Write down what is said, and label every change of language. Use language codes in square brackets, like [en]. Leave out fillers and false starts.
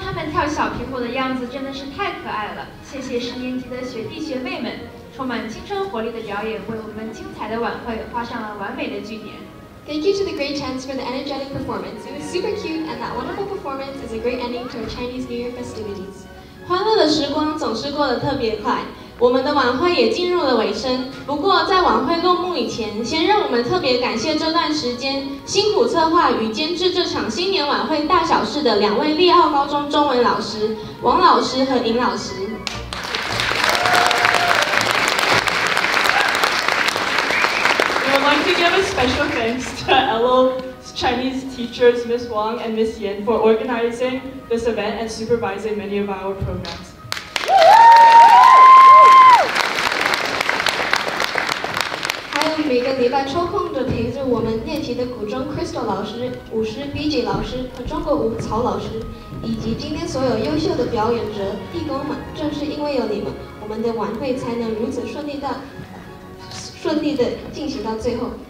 [zh] 跳小苹果的样子真的是太可爱了，谢谢十年级的学弟学妹们，充满青春活力的表演为我们精彩的晚会画上了完美的句点。 [en] Thank you to the great chants for the energetic performance. It was super cute, and that wonderful performance is a great ending to our Chinese New Year festivities. [zh] 欢乐的时光总是过得特别快，我们的晚会也进入了尾声。不过在晚会落幕以前，先让我们特别感谢这段时间辛苦策划与监制这场新年晚会大小事的两位利奥高中中文老师王老师和尹老师。 [en] I'd like to give a special thanks to LOHS Chinese teachers Ms. Wang and Ms. Yan for organizing this event and supervising many of our programs. [zh] Hi, 每个礼拜抽空的陪着我们练习的古筝 Crystal 老师、舞狮 BJ 老师和中国舞曹老师，以及今天所有优秀的表演者、弟恭们，正是因为有你们，我们的晚会才能如此顺利地进行到最后。